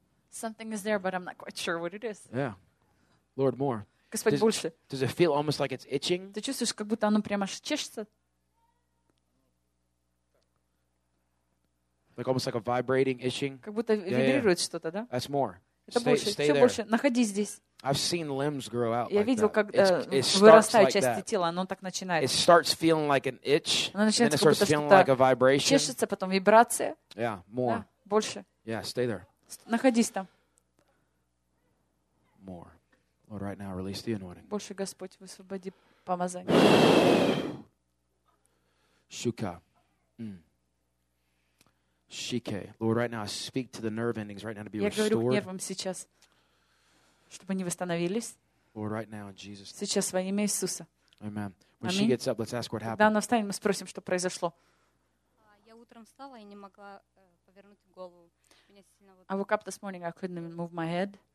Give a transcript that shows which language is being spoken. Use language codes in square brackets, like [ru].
[en] Something is there, but I'm not quite sure what it is. Yeah. Lord, more. [ru] Господь, больше. [en] Does it feel almost like it's itching? [ru] Ты чувствуешь, как будто оно прямо чешется? [en] Like almost like a vibrating, itching? [ru] Как будто вибрирует что-то, да? [en] That's more. [ru] Это больше, [en] stay [ru] еще больше. Находись здесь. [en] I've seen limbs grow out. [ru] Я [en] like [ru] видел, [en] that. [ru] Как it вырастает часть like тела, оно так начинает. [en] It starts feeling like an itch. [ru] Оно начинает [en] and then it starts feeling like a vibration. [ru] Чешется, потом вибрация. [en] Yeah, more. [ru] Да, больше. [en] Yeah, stay there. [ru] Находись там. [en] More. Lord, right now, release the anointing. [ru] Больше, Господь, высвободи помазание. Шука. Шике. [en] Lord, right now, I speak to the nerve endings right now to be restored. [ru] Я говорю к нервам сейчас, чтобы они восстановились. [en] Lord, right now, in Jesus. [ru] Сейчас во имя Иисуса. [en] Amen. When she gets up, let's ask what happened. [ru] Когда она встанет, мы спросим, что произошло. Я утром встала и не могла повернуть голову. [en] I woke up this morning, I couldn't even move my head.